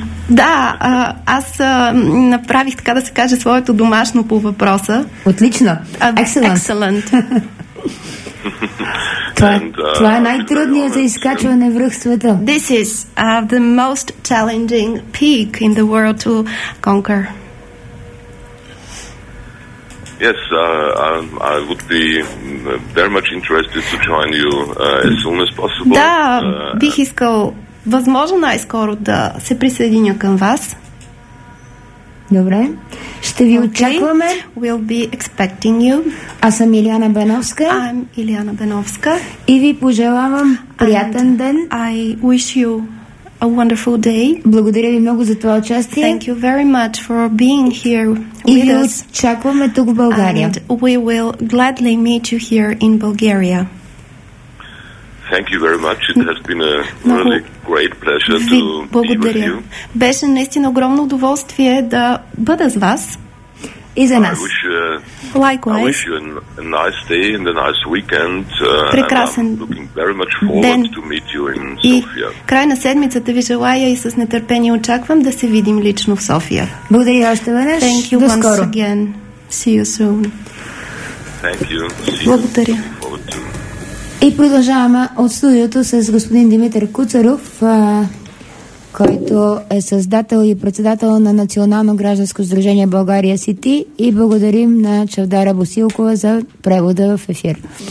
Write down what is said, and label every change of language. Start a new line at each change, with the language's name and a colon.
Bulgarian: Да, аз направих, така да се каже, своето домашно по въпроса. Отлично.
English: Excellent.
Bulgarian: Това е най-трудният за изкачване връх в света.
English: This is the most challenging peak in the world to conquer. Yes, I would be very much interested to join you as soon as possible.
Bulgarian: Да, бих искал възможно най-скоро да се присъединя към вас. Добре. Ще ви очакваме.
English: We'll be expecting you.
Bulgarian: Аз съм Илияна Беновска.
English: I'm Илияна Беновска.
Bulgarian: И ви пожелавам приятен ден.
English: I wish you a wonderful day.
Bulgarian: Благодаря ви много за това участие.
English: Thank you very much for being here with us.
Bulgarian: И ви очакваме тук в България.
English: And we will gladly meet you here in Bulgaria. Thank you very much. It has been a really great pleasure to be with you.
Bulgarian: Беше наистина огромно удоволствие да бъда с вас и за нас.
English: Likewise. I wish you a nice day and a nice weekend.
Bulgarian: Прекрасен ден. И край на седмицата ви желая и с нетърпение очаквам да се видим лично в София. Благодаря още веднъж.
English: Thank you once again. See you soon. Thank you.
Bulgarian: Благодаря. И продължаваме от студиото с господин Димитър Куцаров, който е създател и председател на Национално гражданско сдружение България City, и благодарим на Чавдара Босилкова за превода в ефир.